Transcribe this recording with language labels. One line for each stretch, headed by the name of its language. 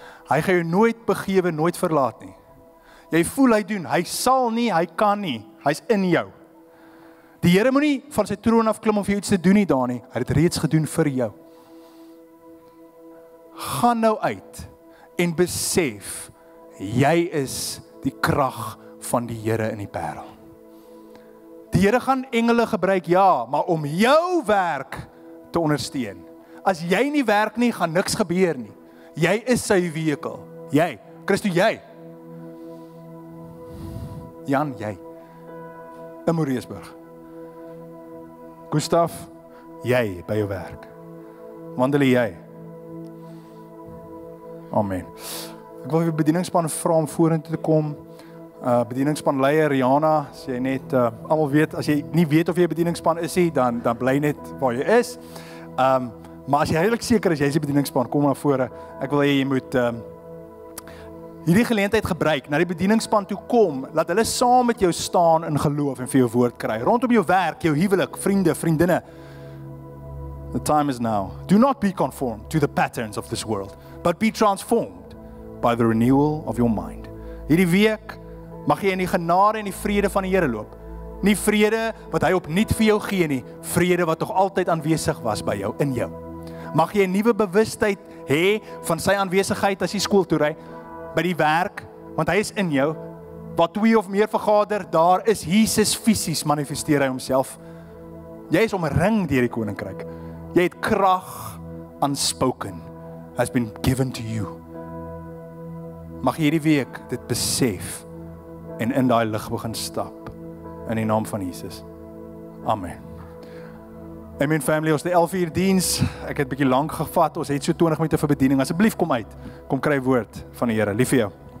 Afrikaans: Hy gaan jou nooit begewe, nooit verlaat nie. Jy voel hy doen, hy sal nie, hy kan nie. Hy's in jou. Die Here moenie van sy troon af klim of jy iets te doen nie daar nie. Hy het dit reeds gedoen vir jou. Gaan nou uit en besef jy is die krag van die Here in die parel. Die Here gaan engele gebruik, ja, maar om jou werk te ondersteun. As jy nie werk nie, gaan niks gebeur nie. Jy is sy wekel. Jy, Christo, jy. Jan, jy. In Moreesburg. Gustav, jy by jou werk. wandel jy. Amen. Ek wil die bedieningspan vra om vorentoe te kom. Bedieningspan leier Rihanna, as jy net almal weet, as jy nie weet of jy bedieningspan is nie, dan bly net waar jy is. Maar as jy heilig seker is, jy is die bedieningspan, kom na vore. Ek wil jy moet hierdie geleentheid gebruik, na die bedieningspan toe kom, laat hulle saam met jou staan in geloof en vir jou woord kry. Rondom jou werk, jou huwelik, vriende, vriendinne.
English: The time is now. Do not be conformed to the patterns of this world, but be transformed by the renewal of your mind.
Afrikaans: Hierdie week mag jy in die genade en die vrede van die Here loop. Nie vrede wat hy opnuut vir jou gee nie, vrede wat nog altyd aanwesig was by jou, in jou. Mag jy 'n nuwe bewustheid hê van sy aanwesigheid as jy skool toe ry, by die werk, want hy is in jou. Waar twee of meer vergader, daar is Jesus fisies manifesteer hy homself. Jy is omring deur die koninkryk. Jy het krag
English: unspoken has been given to you.
Afrikaans: Mag jy hierdie week dit besef en in daai lig begin stap. In die naam van Jesus. Amen. Amen family, ons het 11 uur diens. Ek het 'n bietjie lank gevat. Ons het so 20 minute vir bediening. Asseblief kom uit. Kom kry woord van die Here. Lief vir jou.